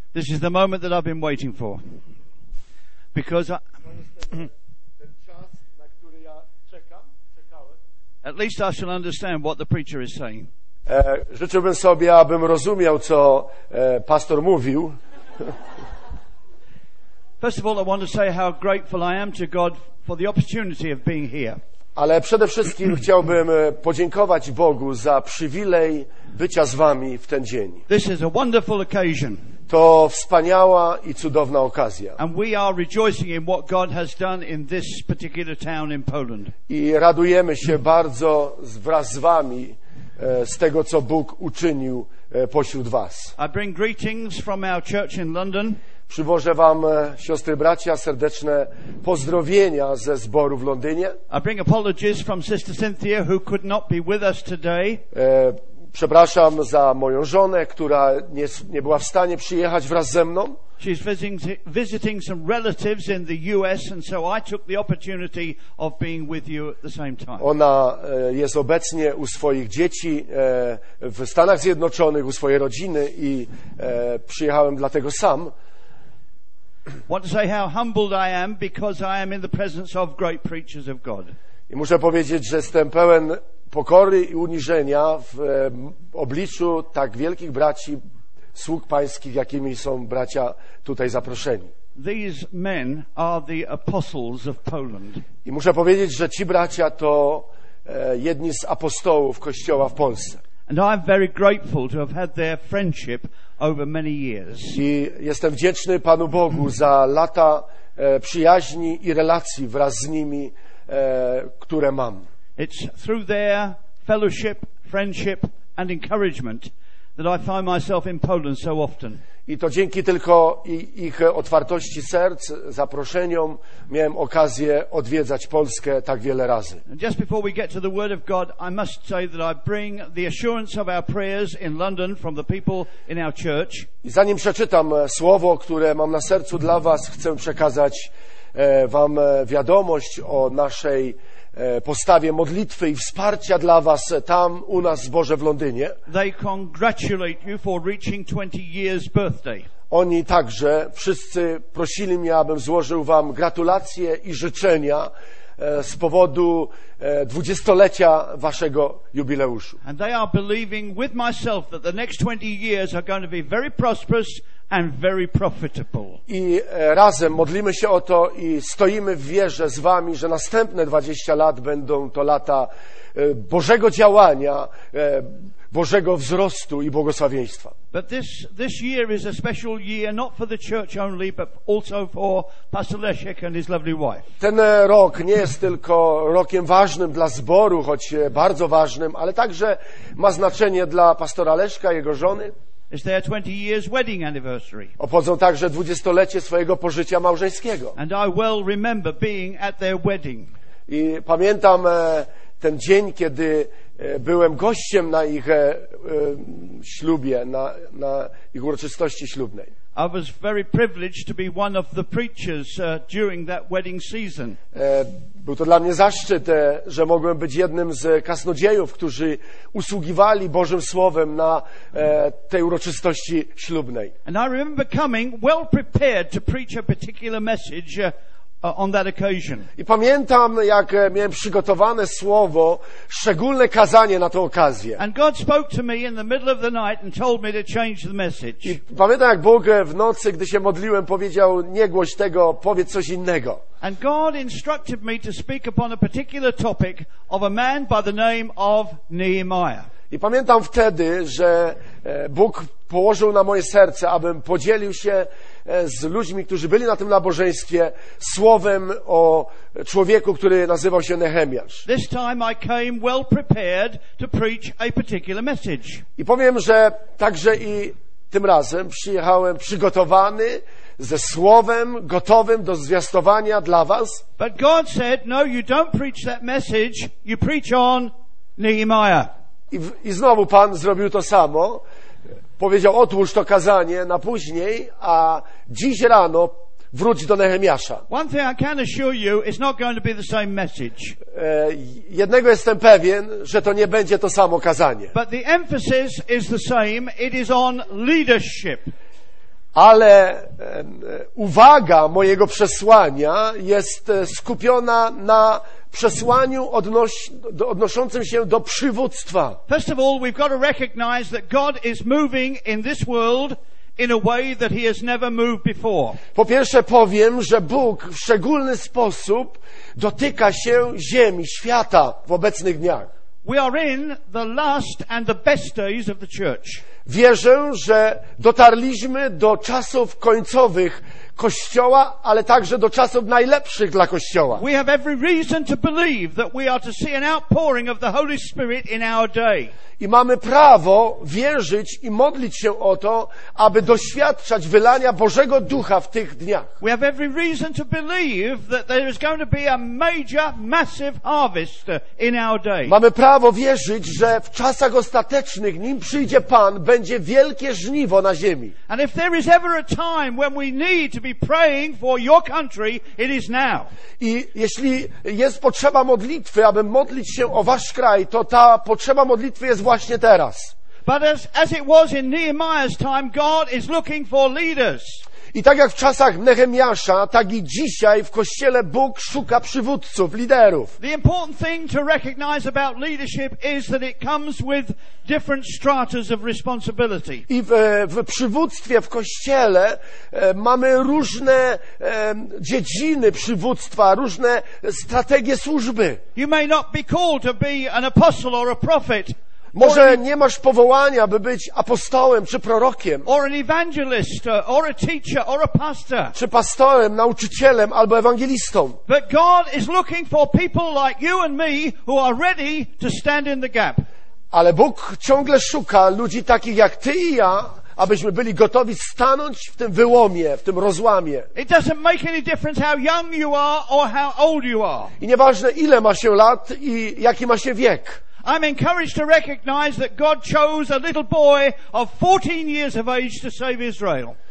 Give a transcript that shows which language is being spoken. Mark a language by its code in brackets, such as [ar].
[en] This is the moment that I've been waiting for. Because at least I shall understand what the preacher is saying. [pl] Życzyłbym sobie, abym rozumiał, co pastor mówił. [en] First of all, I want to say how grateful I am to God for the opportunity of being here. [pl] Ale przede wszystkim chciałbym podziękować Bogu za przywilej bycia z wami w ten dzień. [en] This is a wonderful occasion. [pl] To wspaniała i cudowna okazja. [en] And we are rejoicing in what God has done in this particular town in Poland. [pl] I radujemy się bardzo wraz z wami z tego, co Bóg uczynił pośród was. [en] I bring greetings from our church in London. [pl] Przywożę wam, siostry, bracia, serdeczne pozdrowienia ze zboru w Londynie. [en] I bring apologies from Sister Cynthia, who could not be with us today. [pl] Przepraszam za moją żonę, która nie była w stanie przyjechać wraz ze mną. [en] She's visiting some relatives in the US, and so I took the opportunity of being with you at the same time. [pl] Ona jest obecnie u swoich dzieci w Stanach Zjednoczonych, u swojej rodziny i przyjechałem dlatego sam. [en] Want to say how humbled I am because I am in the presence of great preachers of God. [pl] I muszę powiedzieć, że jestem pełen pokory i uniżenia w obliczu tak wielkich braci, sług pańskich, jakimi są bracia tutaj zaproszeni. [en] These men are the apostles of Poland. [pl] I muszę powiedzieć, że ci bracia to jedni z apostołów Kościoła w Polsce. [en] And I'm very grateful to have had their friendship over many years. [pl] I jestem wdzięczny Panu Bogu za lata przyjaźni i relacji wraz z nimi, które mam. [en] It's through their fellowship, friendship and encouragement that I find myself in Poland so often. [pl] I to dzięki tylko ich otwartości serc, zaproszeniom, miałem okazję odwiedzać Polskę tak wiele razy. [en] Just before we get to the word of God, I must say that I bring the assurance of our prayers in London from the people in our church. [pl] I zanim przeczytam słowo, które mam na sercu dla was, chcę przekazać wam wiadomość o naszej postawie modlitwy i wsparcia dla was tam u nas w Boże w Londynie. [en] They congratulate you for reaching 20 years birthday. [pl] Oni także wszyscy prosili mnie, abym złożył wam gratulacje i życzenia z powodu 20-lecia waszego jubileuszu. [en] And they are believing with myself that the next 20 years are going to be very prosperous and very profitable. [pl] I razem modlimy się o to i stoimy w wierze z wami, że następne 20 lat będą to lata Bożego działania, Bożego wzrostu i błogosławieństwa. [en] But this year is a special year not for the church only, but also for Pastor Leszek and his lovely wife. [pl] Ten rok nie jest tylko rokiem ważnym dla zboru, choć bardzo ważnym, ale także ma znaczenie dla pastora Leszka i jego żony. [en] It's their 20 years wedding anniversary. [pl] Obchodzą także 20-lecie swojego pożycia małżeńskiego. [en] And I well remember being at their wedding. [pl] I pamiętam ten dzień, kiedy byłem gościem na ich ślubie, na ich uroczystości ślubnej. [en] I was very privileged to be one of the preachers during that wedding season. [pl] Był to dla mnie zaszczyt, że mogłem być jednym z kasnodziejów, którzy usługiwali Bożym Słowem na tej uroczystości ślubnej. [en] And I remember coming well prepared to preach a particular message on that occasion. [pl] I pamiętam, jak miałem przygotowane słowo, szczególne kazanie na tę okazję. [en] And God spoke to me in the middle of the night and told me to change the message. [pl] I pamiętam, jak Bóg w nocy, gdy się modliłem, powiedział: nie głoś tego, powiedz coś innego. [en] And God instructed me to speak upon a particular topic of a man by the name of Nehemiah. [pl] I pamiętam wtedy, że Bóg położył na moje serce, abym podzielił się z ludźmi, którzy byli na tym nabożeństwie, słowem o człowieku, który nazywał się Nehemiasz. [en] This time I came well prepared to preach a particular message. [pl] I powiem, że także i tym razem przyjechałem przygotowany, ze słowem gotowym do zwiastowania dla was. [en] But God said, no, you don't preach that message, you preach on Nehemiah. [pl] I znowu Pan zrobił to samo. Powiedział: otłóż to kazanie na później, a dziś rano wróć do Nehemiasza. [en] One thing I can assure you, it's not going to be the same message. [pl] Jednego jestem pewien, że to nie będzie to samo kazanie. [en] But the emphasis is the same. It is on leadership. [pl] ale uwaga mojego przesłania jest skupiona na przesłaniu odnoszącym się do przywództwa. [en] First of all, we've got to recognize that God is moving in this world in a way that he has never moved before. [pl] Po pierwsze powiem, że Bóg w szczególny sposób dotyka się ziemi, świata w obecnych dniach. [en] We are in the last and the best days of the church. [pl] Wierzę, że dotarliśmy do czasów końcowych Kościoła, ale także do czasów najlepszych dla Kościoła. [en] We have every reason to believe that we are to see an outpouring of the Holy Spirit in our day. [pl] I mamy prawo wierzyć i modlić się o to, aby doświadczać wylania Bożego Ducha w tych dniach. [en] We have every reason to believe that there is going to be a major, massive harvest in our day. [pl] Mamy prawo wierzyć, że w czasach ostatecznych, nim przyjdzie Pan, będzie wielkie żniwo na ziemi. [en] And if there is ever a time when we need to be praying for your country, it is now. [pl] I jeśli jest potrzeba modlitwy, aby modlić się o wasz kraj, to ta potrzeba modlitwy jest właśnie teraz. [en] But as it was in Nehemiah's time, God is looking for leaders. [pl] I tak jak w czasach Nehemiasza, tak i dzisiaj w Kościele Bóg szuka przywódców, liderów. [en] The important thing to recognize about leadership is that it comes with different stratas of responsibility. [pl] I w przywództwie, w Kościele mamy różne dziedziny przywództwa, różne strategie służby. [en] You may not be called to be an apostle or a prophet. [pl] Może nie masz powołania, by być apostołem czy prorokiem, [en] or an evangelist, or a teacher, or a pastor. [pl] Czy pastorem, nauczycielem albo ewangelistą. [en] But God is looking for people like you and me who are ready to stand in the gap. [pl] Ale Bóg ciągle szuka ludzi takich jak ty i ja, abyśmy byli gotowi stanąć w tym wyłomie, w tym rozłamie. [en] It doesn't make any difference how young you are or how old you are. [pl] I nieważne ile ma się lat i jaki ma się wiek. [en] I'm encouraged to recognize that God chose a little boy of 14 years of age to save Israel.